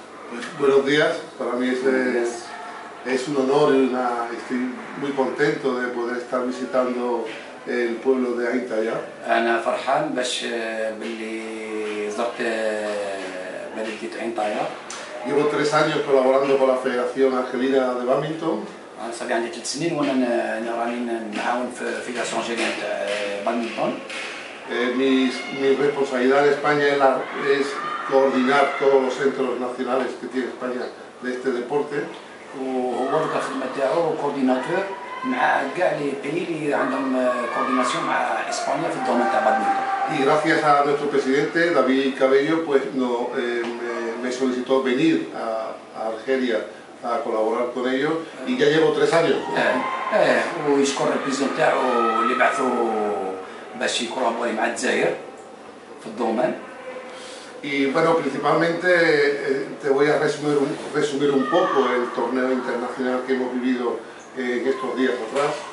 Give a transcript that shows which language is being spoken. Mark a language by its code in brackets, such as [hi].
[es] Pues, buenos días, para mí es un honor, estoy muy contento de poder estar visitando el pueblo de Intaya. [ar] أنا فرحان باش باللي زرت بلدية إنتايا. [es] Llevo tres años colaborando con la Federación Argelina de Badminton. [ar] أنا صار عندي ثلاث سنين وأنا راني نعاون في الفيدراسيون جينيال تاع بادمنتون. [es] Mi responsabilidad en España es coordinar todos los centros nacionales que tiene España de este deporte. [ar] وهو في الخدمة تاعو كورديناتور مع كاع لي بيي اللي عندهم كورديناسيون مع اسبانيا في الدومين تاع بادمنتون. [es] Y gracias a nuestro presidente David Cabello, pues me solicitó venir a Argelia a colaborar con ellos y ya llevo tres años. [ar] ويشكر البريزون تاعو اللي بعثو باش يكولابوري مع الجزائر في الدومين. [es] Y bueno, principalmente te voy a resumir un poco el torneo internacional que hemos vivido en estos días atrás.